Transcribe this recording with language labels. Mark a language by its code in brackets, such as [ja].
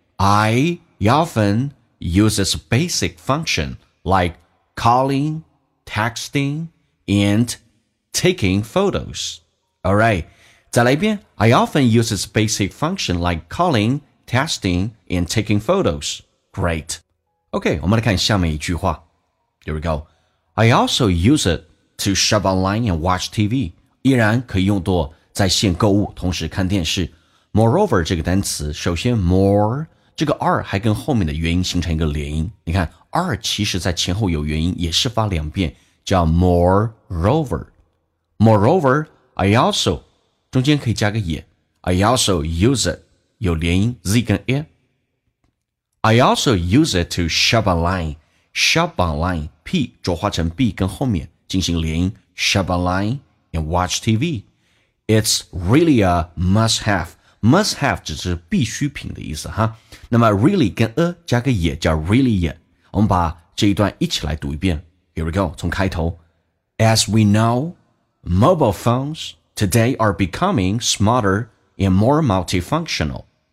[en] I often use this basic function like calling, texting, and taking photos. Alright, [zh] 再来一遍。 [en] I often use its basic function like calling, texting, and taking photos. Great. OK, [zh] 我们来看下面一句话。 [en] Here we go. I also use it to shop online and watch TV. [zh] 依然可以用作在线购物同时看电视。 Moreover, 这个单词首先 more, 这个 r 还跟后面的元音形成一个连音。你看 r 其实在前后有元音也是发两遍叫 moreover。 Moreover, [en] I also, [zh] 中间可以加个也。 [en] I also use it, [zh] 有连音 z 跟 e。 [en] I also use it to shop online. Shop online, [zh] P 浊化成 B 跟后面进行连音 [en] shop online and watch TV. It's really a must have. Must have [zh] 只是必需品的意思哈。那么 really 跟 a 加个也叫 really也。我们把这一段一起来读一遍。 [en] Here we go, [zh] 从开头。 [en] As we know, mobile phones today are becoming smarter and more multifunctional.